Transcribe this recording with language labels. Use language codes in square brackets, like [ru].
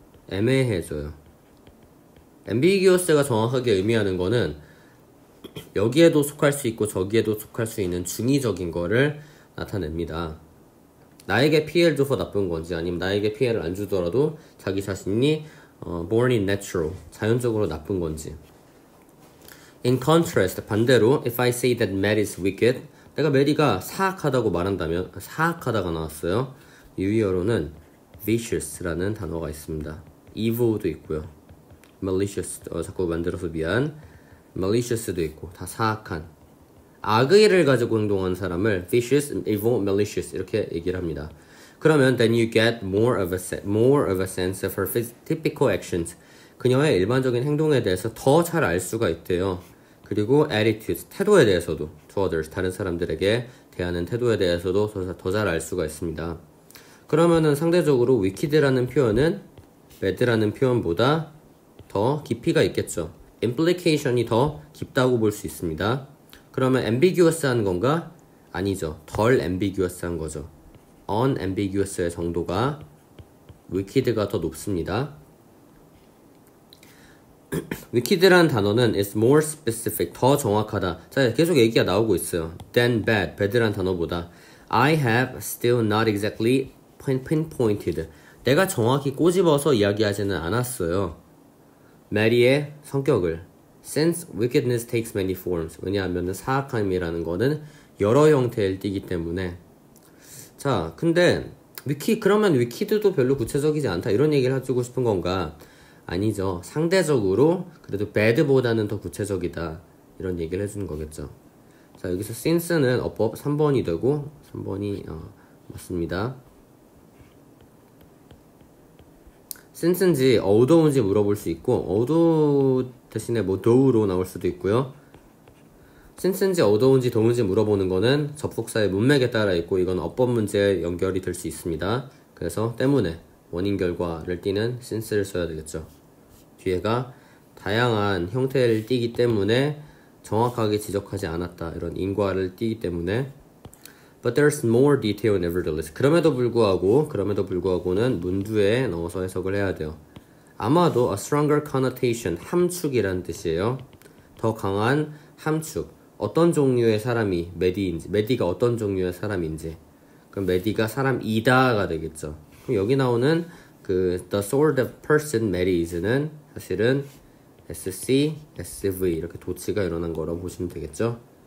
[ko] 애매해져요. ambiguous가 정확하게 의미하는 거는 여기에도 속할 수 있고 저기에도 속할 수 있는 중의적인 거를 나타냅니다. 나에게 피해를 줘서 나쁜 건지 아니면 나에게 피해를 안 주더라도 자기 자신이 [en] born in natural, [ko] 자연적으로 나쁜 건지. [en] In contrast, [ko] 반대로 [en] if I say that Matt is wicked, [ko] 내가 메리가 사악하다고 말한다면, 사악하다가 나왔어요. 유의어로는 vicious라는 단어가 있습니다. evil도 있고요. malicious, 자꾸 만들어서 미안. malicious도 있고, 다 사악한. 악의를 가지고 행동한 사람을 vicious, evil, malicious 이렇게 얘기를 합니다. 그러면 [en] then you get more of a sense of her typical actions. [ko] 그녀의 일반적인 행동에 대해서 더 잘 알 수가 있대요. 그리고 attitude, 태도에 대해서도 [en] to others, [ko] 다른 사람들에게 대하는 태도에 대해서도 더 잘 알 수가 있습니다. 그러면은 상대적으로 wicked라는 표현은 bad라는 표현보다 더 깊이가 있겠죠. implication이 더 깊다고 볼 수 있습니다. 그러면 ambiguous한 건가? 아니죠. 덜 ambiguous한 거죠. unambiguous의 정도가 wicked가 더 높습니다. wicked라는 단어는 [en] is more specific, [ko] 더 정확하다. 자, 계속 얘기가 나오고 있어요. [en] than bad, [ko] bad라는 단어보다 [en] I have still not exactly pinpointed. [ko] 내가 정확히 꼬집어서 이야기하지는 않았어요. 메리의 성격을. [en] Since wickedness takes many forms. [ko] 왜냐하면 사악함이라는 거는 여러 형태를 띠기 때문에. 자, 근데 그러면 위키드도 별로 구체적이지 않다 이런 얘기를 해주고 싶은 건가? 아니죠. 상대적으로 그래도 bad보다는 더 구체적이다 이런 얘기를 해주는 거겠죠. 자, 여기서 since는 어법 3번이 되고 3번이 맞습니다. since인지 although인지 물어볼 수 있고 although 대신에 뭐 though로 나올 수도 있고요. since인지 although인지 though인지 물어보는 거는 접속사의 문맥에 따라 있고 이건 어법 문제에 연결이 될 수 있습니다. 그래서 때문에 원인 결과를 띠는 since를 써야 되겠죠. 뒤에가 다양한 형태를 띠기 때문에 정확하게 지적하지 않았다 이런 인과를 띠기 때문에. [en] But there's more detail nevertheless. [ko] 그럼에도 불구하고는 문두에 넣어서 해석을 해야 돼요. 아마도 [en] a stronger connotation, [ko] 함축이라는 뜻이에요. 더 강한 함축. 어떤 종류의 사람이 메디인지, 메디가 어떤 종류의 사람인지. 그럼 메디가 사람이다가 되겠죠. 그럼 여기 나오는 그 [en] the sort of person Matt is [ko] 는 사실은 SC, SV 이렇게 도치가 일어난 거라고 보시면 되겠죠.